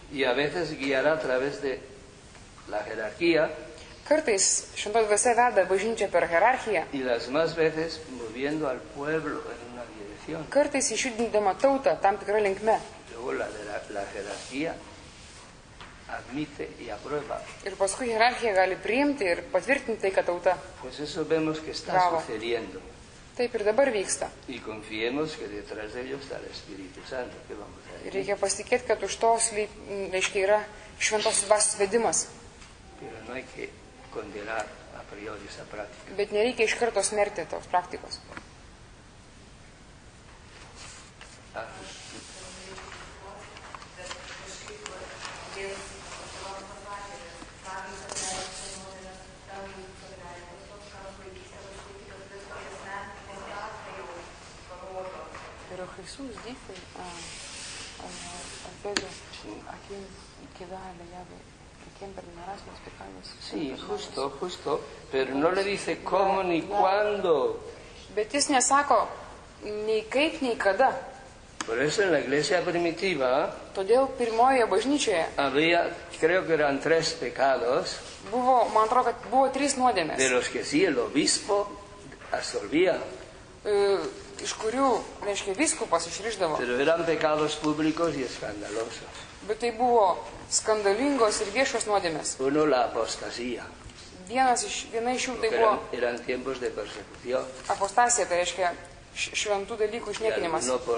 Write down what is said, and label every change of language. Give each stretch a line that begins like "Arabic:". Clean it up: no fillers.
Spanish: Y a veces guiará a través de la jerarquía.
Lithuanian: Kartais šventoji dvasia veda bažnyčią per hierarchiją.
Spanish: Y las más veces moviendo al pueblo en una dirección.
Lithuanian: Kartais išjudindama tautą tam tikrą linkmę.
Spanish: Luego la jerarquía admite y aprueba.
Lithuanian: Ir paskui hierarchija gali priimti ir patvirtinti tai, kad tauta.
Spanish: Pues eso vemos que está Bravo. Sucediendo.
Lithuanian: Taip ir dabar vyksta.
Spanish: Y confiemos que detrás de ello está el Espíritu Santo. ¿Qué vamos a decir?
Lithuanian: Reikia pasitikėti, kad už to reiškia yra šventosios dvasios vedimas.
Spanish: Pero no hay que condenar a priori esa práctica.
Lithuanian: Bet nereikia iš karto smerti tos praktikos. Al
Spanish: Jesús dice a Pedro, ¿a quién queda la llave? ¿Quién perdonará sus pecados? Sí, justo, justo, pero no le dice cómo ni cuándo.
Lithuanian: Bet jis nesako nei kaip, nei kada.
Spanish: Por eso en la iglesia primitiva,
Lithuanian: todėl pirmojoje bažnyčioje,
Spanish: había, creo que eran tres pecados,
Lithuanian: buvo, man atrodo, kad buvo trys nuodėmės,
Spanish: de los que sí el obispo absolvía,
Lithuanian: iš kurių, reiškia, vyskupas išrišdavo.
Spanish: Pero eran pecados públicos y escandalosos.
Lithuanian: Bet tai buvo skandalingos ir viešos nuodėmės.
Spanish: Uno, la apostasía.
Lithuanian: Viena iš jų tai buvo apostasija, tai reiškia šventų dalykų išniekinimas.